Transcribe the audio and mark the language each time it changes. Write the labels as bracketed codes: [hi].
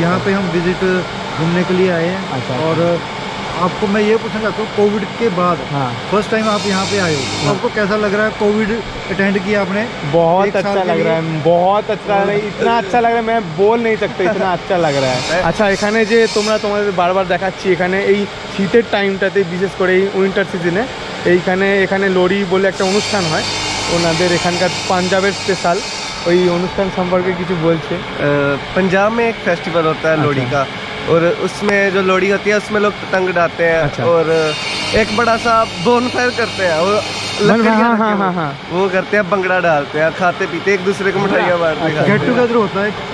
[hi] यहाँ पे हम विजिट घूमने के लिए आए हैं। और आपको मैं ये पूछना चाहता हूँ, कोविड के बाद फर्स्ट टाइम आप यहाँ पे आए हो, आपको कैसा लग रहा है? कोविड अटेंड किया आपने? बहुत अच्छा लग रहा है, बहुत अच्छा लग रहा है, इतना अच्छा लग रहा है मैं बोल नहीं सकता, इतना अच्छा लग रहा है। [bn] अच्छा, এখানে যে তোমাদের বার বার দেখাচ্ছি, এখানে এই শীতের টাইমটাতে বিশেষ করে এই উইন্টার সিজনে এখানে লোরি বলে একটা অনুষ্ঠান হয় ওনাদের, এখানকার পাঞ্জাবের স্পেশাল। ওই অনুষ্ঠান সম্পর্কে কিছু বলছে? [hi] পাঞ্জাব মে এক ফেস্টিভ্যাল হতা লোরি কা, और उसमें जो लोहड़ी होती है उसमें लोग पतंग उड़ाते हैं। अच्छा। और एक बड़ा सा बोनफायर करते हैं और लकड़ियां वो करते हैं, भंगड़ा डालते हैं, खाते पीते एक दूसरे को मिठाइयां बांटते हैं। गेट टुगेदर होता है